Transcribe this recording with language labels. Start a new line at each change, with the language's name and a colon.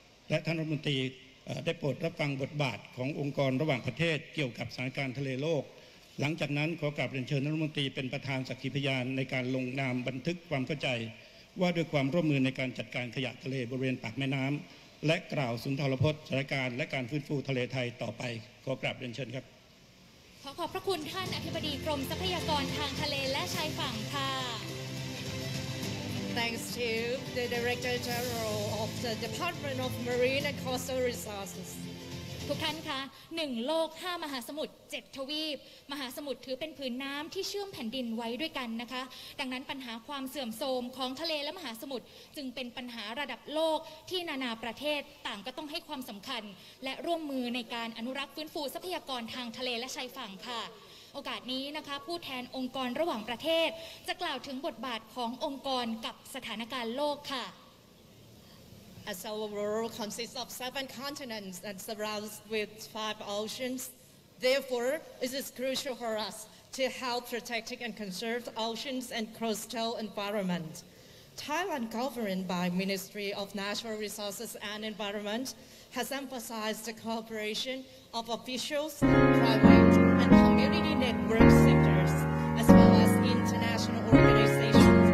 Thai: และท่านรัฐมนตรีได้โปรดรับฟังบทบาทขององค์กรระหว่างประเทศเกี่ยวกับสถานการณ์ทะเลโลกหลังจากนั้นขอกราบเรียนเชิญท่านรัฐมนตรีเป็นประธานสักขีพยานในการลงนามบันทึกความเข้าใจว่าด้วยความร่วมมือในการจัดการขยะทะเลบริเวณปากแม่น้ำและกล่าวสุนทรพจน์สถานการณ์และการฟื้นฟูทะเลไทยต่อไปขอกราบเรียนเชิญครับ ขอขอบพระคุณท่านอธิบดีกรมทรัพยากรทางทะเลและชายฝั่งค่ะ
English: Thanks to the Director General of the Department of Marine and Coastal Resources.
Thai: ทุกท่านคะ1โลก5มหาสมุทร7ทวีปมหาสมุทรถือเป็นผืนน้ำที่เชื่อมแผ่นดินไว้ด้วยกันนะคะดังนั้นปัญหาความเสื่อมโทรมของทะเลและมหาสมุทรจึงเป็นปัญหาระดับโลกที่นานาประเทศต่างก็ต้องให้ความสำคัญและร่วมมือในการอนุรักษ์ฟื้นฟูทรัพยากรทางทะเลและชายฝั่งค่ะโอกาสนี้นะคะผู้แทนองค์กรระหว่างประเทศจะกล่าวถึงบทบาทขององค์กรกับสถานการณ์โลกค่ะ
English: As our world consists of 7 continents and surrounds with 5 oceans, therefore it is crucial for us to help protect and conserve oceans and coastal environment. Thailand, governed by Ministry of Natural Resources and Environment, has emphasized the cooperation of officials, private and community network sectors, as well as international organizations.